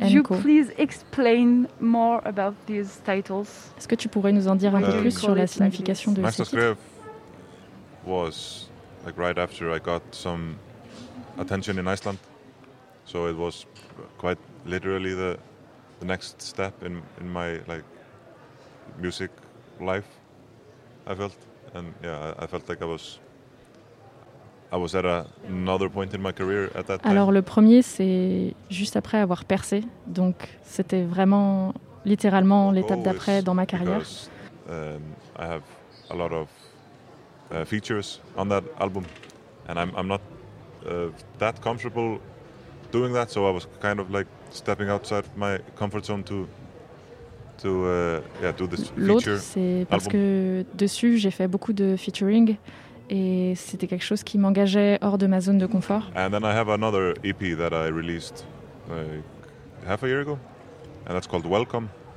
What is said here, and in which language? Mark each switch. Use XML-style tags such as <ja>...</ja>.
<en>Could you please explain more about these titles?</en> <fr>Est-ce que tu pourrais nous en dire un peu plus sur la signification de ces titres?</fr> <en>Master Scrape was like right after I got some attention in Iceland, so it was quite literally the next step in my like music life. I felt, and yeah, I felt like I was at another point in my career at that time.</en> <fr>Alors le premier, c'est juste après avoir percé, donc c'était vraiment littéralement l'étape d'après dans ma carrière.</fr> <en>I have a lot of features on that album, and I'm not that comfortable doing that, so I was kind of like stepping outside my comfort zone to do this feature.</en> <fr>L'autre, c'est parce</fr> <en>album.</en> <fr>Que dessus, j'ai fait beaucoup de featuring et c'était quelque chose qui m'engageait hors de ma zone de confort.</fr> <en>And then I have another EP that I released like half a year ago, and that's called Welcome.</en>